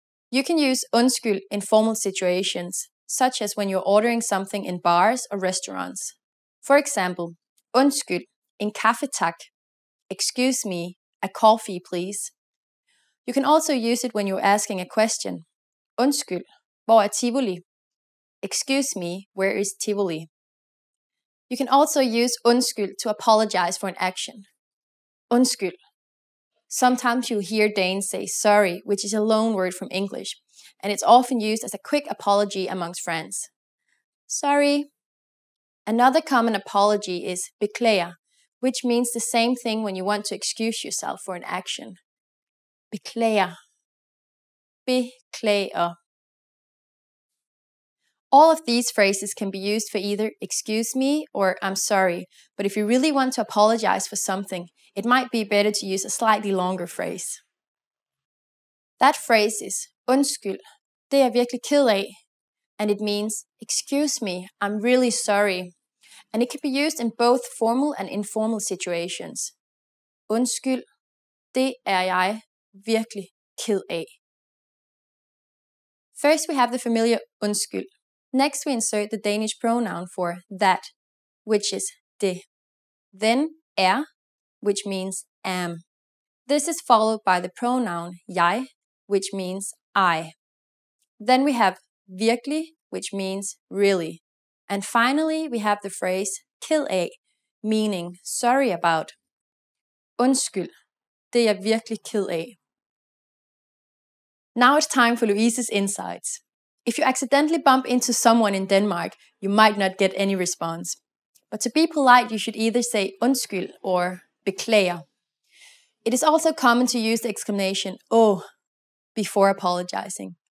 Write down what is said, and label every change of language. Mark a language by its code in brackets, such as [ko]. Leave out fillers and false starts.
[en] You can use undskyld in formal situations, such as when you're ordering something in bars or restaurants. For example, [da] undskyld, en kaffe tak. [en] Excuse me, a coffee please. You can also use it when you're asking a question. [da] Undskyld, hvor er Tivoli? [en] Excuse me, where is Tivoli? You can also use undskyld to apologize for an action. Undskyld. Sometimes you'll hear Danes say sorry, which is a loan word from English, and it's often used as a quick apology amongst friends. Sorry. Another common apology is beklager, which means the same thing when you want to excuse yourself for an action. Beklager. [da] Beklager. [en] All of these phrases can be used for either excuse me or I'm sorry, but if you really want to apologize for something, it might be better to use a slightly longer phrase. That phrase is [da] undskyld, det er virkelig ked af, [en] and it means excuse me, I'm really sorry. And it can be used in both formal and informal situations. [da] Undskyld, det er jeg virkelig ked af. [en] First we have the familiar undskyld. Next, we insert the Danish pronoun for that, which is det. Then, er, which means am. This is followed by the pronoun jeg, which means I. Then we have virkelig, which means really. And finally, we have the phrase ked af, meaning sorry about. [da] Undskyld, det er virkelig ked af. [en] Now it's time for Louise's insights. If you accidentally bump into someone in Denmark, you might not get any response. But to be polite, you should either say undskyld or beklager. It is also common to use the exclamation "oh" before apologizing.